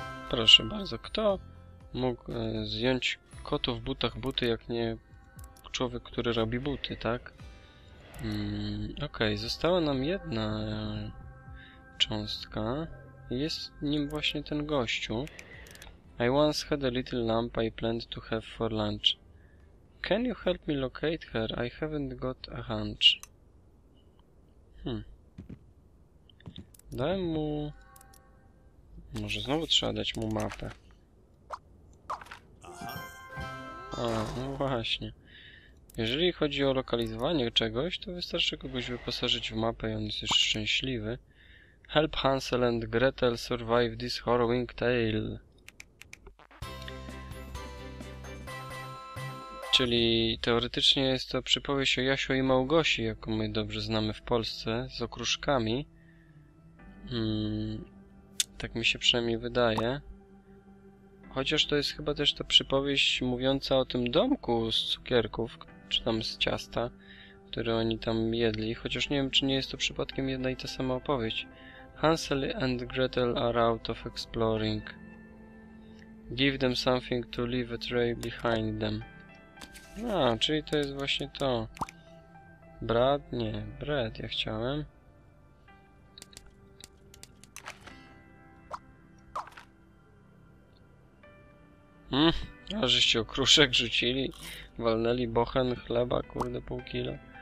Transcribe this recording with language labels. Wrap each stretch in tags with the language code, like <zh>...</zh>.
<pl>Proszę bardzo, kto mógł zjąć kotu w butach buty, jak nie człowiek, który robi buty, tak? Okej, została nam jedna cząstka. Jest nim właśnie ten gościu.</pl> <en>I once had a little lamp I planned to have for lunch. Can you help me locate her? I haven't got a hunch.</en> <pl>Dałem mu... Może znowu trzeba dać mu mapę. A, no właśnie. Jeżeli chodzi o lokalizowanie czegoś, to wystarczy kogoś wyposażyć w mapę i on jest już szczęśliwy.</pl> <en>Help Hansel and Gretel survive this harrowing tale.</en> <pl>Czyli teoretycznie jest to przypowieść o Jasiu i Małgosi, jaką my dobrze znamy w Polsce, z okruszkami. Tak mi się przynajmniej wydaje. Chociaż to jest chyba też ta przypowieść mówiąca o tym domku z cukierków, czy tam z ciasta, które oni tam jedli. Chociaż nie wiem, czy nie jest to przypadkiem jedna i ta sama opowieść.</pl> <en>Hansel and Gretel are out of exploring. Give them something to leave a trail behind them.</en> <pl>A, czyli to jest właśnie to. Brad? Nie, Brad, ja chciałem. A żeście okruszek rzucili, walnęli bochen chleba, kurde, pół kilo.</pl>